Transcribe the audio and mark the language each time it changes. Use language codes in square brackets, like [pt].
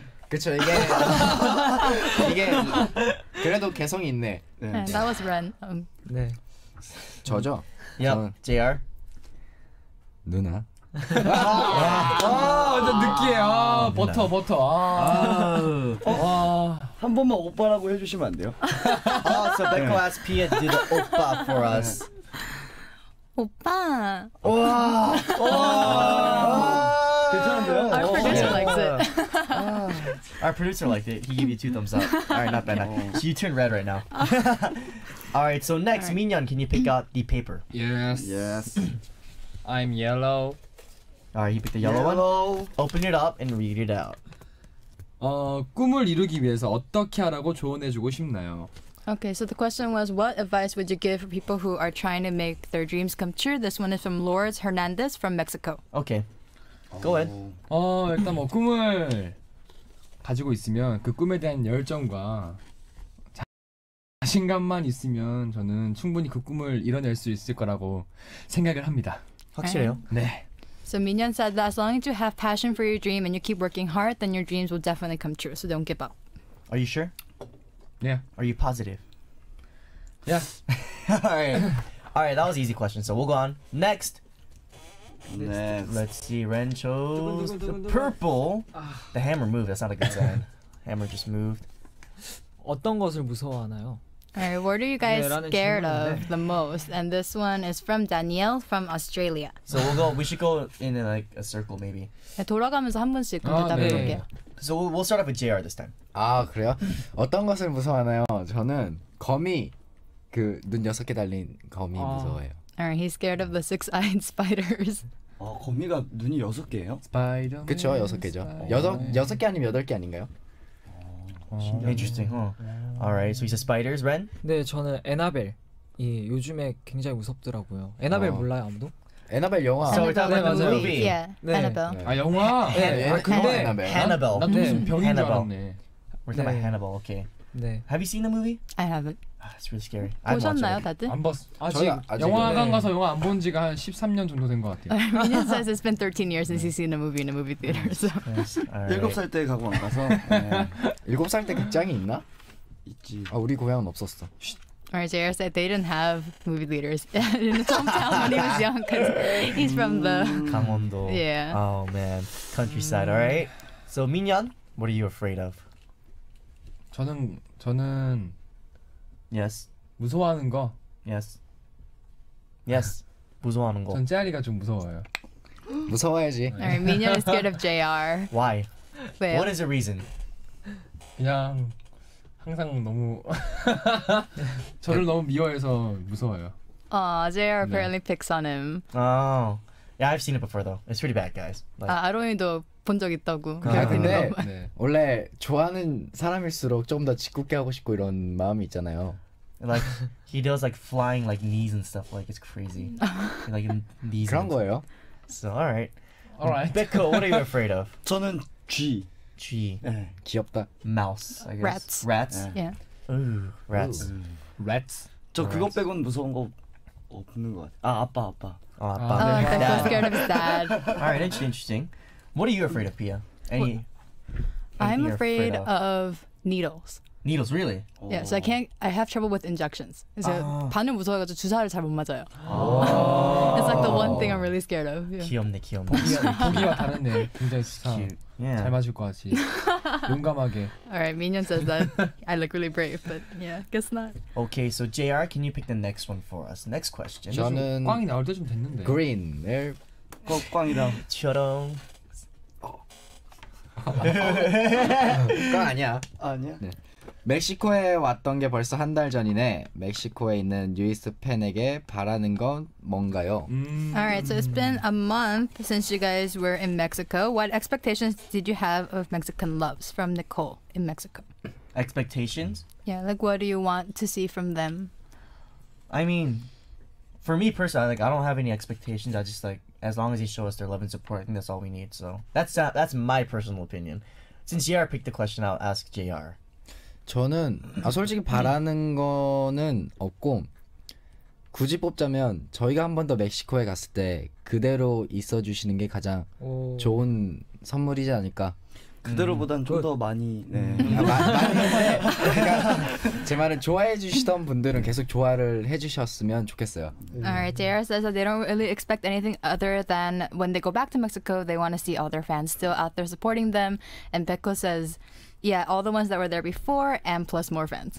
[ko] 그쵸 이게 이게 그래도 개성이 있네. 네. [en] That was Ren. [ko] 네. 저죠. [en] Yep, JR. [ko] 누나. 와, 완전 느끼해. 버터, 버터. 와, 한 번만 오빠라고 해주시면 안 돼요? [en] So Becco asked Pia to do the 오빠 for us. [ko] 오빠. 와, 괜찮은데요? [en] Our producer likes it. Our producer liked it. He gave you two thumbs up. All right, not bad. So you turn red right now. Alright, so next, right. Minyeon, can you pick out the paper? Yes. Yes. I'm yellow. Alright, you pick the yellow, yellow one. Open it up and read it out. [ko] 꿈을 이루기 위해서 어떻게 하라고 조언해주고 싶나요? [en] Okay, so the question was, what advice would you give for people who are trying to make their dreams come true? This one is from Lourdes Hernandez from Mexico. Okay. Go ahead. [ko] 일단 뭐 꿈을 가지고 있으면 그 꿈에 대한 열정과 자신감만 있으면 저는 충분히 그 꿈을 이뤄낼 수 있을 거라고 생각을 합니다. 확실해요? 네. [en] So Minyeon said that as long as you have passion for your dream and you keep working hard, then your dreams will definitely come true. So don't give up. Are you sure? Yeah. Are you positive? Yeah. All right. All right, that was an easy question. So we'll go on. Next. Next. Let's see. Ren chose the purple. The hammer moved. That's not a good sign. Hammer just moved. [ko] 어떤 것을 무서워하나요? [en] Alright, what are you guys scared of the most? And this one is from Danielle from Australia. So we'll go. We should go in like a circle, maybe. [ko] 돌아가면서 한 번씩 대답해볼게요. [en] So we'll start off with JR this time. [ko] 아 그래요? 어떤 것을 무서워하나요? 저는 거미, 그 눈 여섯 개 달린 거미 무서워해요. [en] Alright, he's scared of the six-eyed spiders. [ko] 아 거미가 눈이 여섯 개예요? [en] Spider. [ko] 그렇죠, 여섯 개죠. 여섯 개 아니면 여덟 개 아닌가요? [en] Interesting, huh? Alright, so he says spiders, Ren? [ko] 네, 저는 애나벨. 예, 요즘에 굉장히 무섭더라고요. 애나벨 몰라요, 아무도? 애나벨 영화. [en] So we're talking about the movie. Yeah, Annabelle. [ko] 아, 영화? 네, 근데 [en] Annabelle. Hannibal. [ko] 나도 무슨 병인 줄 알았네. [en] We're talking about Hannibal, okay. [ko] 네. [en] Have you seen the movie? I haven't. It's really scary. [ko] 보셨나요, 다들? 안 봤어. 아직 영화관 가서 영화 안 본 지가 한 13년 정도 된 것 같아요. [en] Minion says it's been 13 years since he's seen a movie in a movie theater, so. [ko] 일곱 살 때 가고 안 가서. 일곱 살 때 극장이 있나? 있지. 아, 우리 고향은 없었어. [en] Alright, JR said they didn't have movie theaters in his hometown when he was young, because he's from the... [ko] 강원도. [en] Yeah. Oh, man. Countryside, alright? So, Minion, what are you afraid of? [ko] 저는... [en] Yes. [ko] 무서워하는 거. [en] Yes. Yes. [ko] 무서워하는 거. 전 JR이가 좀 무서워요. 무서워야지. [en] Alright, Minion is scared of JR. Why? Well. What is the reason? [ko] 그냥 항상 너무 저를 너무 미워해서 무서워요. [en] Ah, JR apparently picks on him. Oh, yeah. I've seen it before, though. It's pretty bad, guys. Like... [ko] 아, 아로이도 본 적 있다고. 아, 근데 네. 원래 좋아하는 사람일수록 좀 더 짓궂게 하고 싶고 이런 마음이 있잖아요. [en] Like he does like flying like knees and stuff like it's crazy. Like in knees. [ko] 그런 거예요. [en] So all right. All right. Becco, what are you afraid of? [ko] 저는 G. G. 귀엽다. [en] Mouse. I guess. Rats. Yeah. Ooh, rats. Ooh. Rats. [ko] 저 그거 빼곤 무서운 거 없는 거 같아. 아, 아빠, 아빠. 아, 아빠. [en] Oh, I'm so scared of his dad. All right, interesting. What are you afraid of, Pia? Any? I'm afraid of needles. Needles, really? Yeah, so I have trouble with injections. [ko] So 반을 무서워가지고 주사를 잘 못 맞아요. [en] It's like the one thing I'm really scared of. Yeah. [ko] 귀엽네, 귀엽네. 보기와 다른데 굉장히 주사 잘 맞을 것 같지. 용감하게. [en] Alright, Minion says that I look really brave, but yeah, guess not. Okay, so JR, can you pick the next one for us? Next question. [ko] 저는 꽝이 나올 때 좀 됐는데. [en] Green. [ko] 꽝이다. 저런. 꽝 아니야. 아니야. 네. 멕시코에 왔던 게 벌써 한 달 전이네. 멕시코에 있는 유이스 팬에게 바라는 건 뭔가요? [en] Alright, so it's been a month since you guys were in Mexico. What expectations did you have of Mexican loves from Nicole in Mexico? Expectations? Yeah, like what do you want to see from them? I mean, for me personally, like I don't have any expectations. I just like, as long as they show us their love and support, I think that's all we need. So that's my personal opinion. Since JR picked the question, I'll ask JR. [ko] 저는 아 솔직히 바라는 거는 없고 굳이 뽑자면 저희가 한 번 더 멕시코에 갔을 때 그대로 있어 주시는 게 가장 좋은 선물이지 않을까. 그대로보단 좀 더 많이 제 말은 좋아해 주시던 분들은 계속 좋아를 해 주셨으면 좋겠어요. [en] Alright, JR says that they don't really expect anything other than when they go back to Mexico, they want to see all their fans still out there supporting them. And Becco says, yeah, all the ones that were there before and plus more fans.